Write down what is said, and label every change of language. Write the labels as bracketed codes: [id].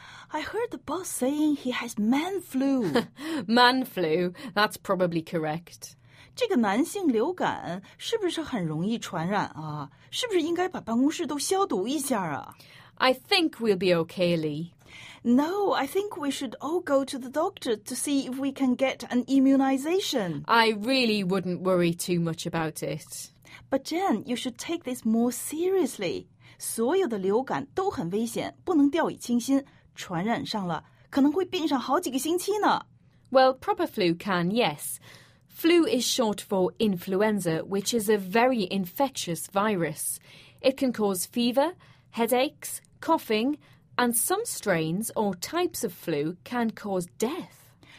[en] I heard the boss saying he has man flu. Man flu, that's probably correct. [zh] 这个男性流感是不是很容易传染啊？是不是应该把办公室都消毒一下啊？ [en] I think we'll be okay, Lee. No, I think we should all go to the doctor to see if we can get an immunization. I really wouldn't worry too much about it. But Jen, you should take this more seriously. [zh] 所有的流感都很危险，不能掉以轻心。传染上了，可能会病上好几个星期呢。 [en] Well, proper flu can, yes. Flu is short for influenza, which is a very infectious virus. It can cause fever, headaches, coughing, and some strains or types of flu can cause death.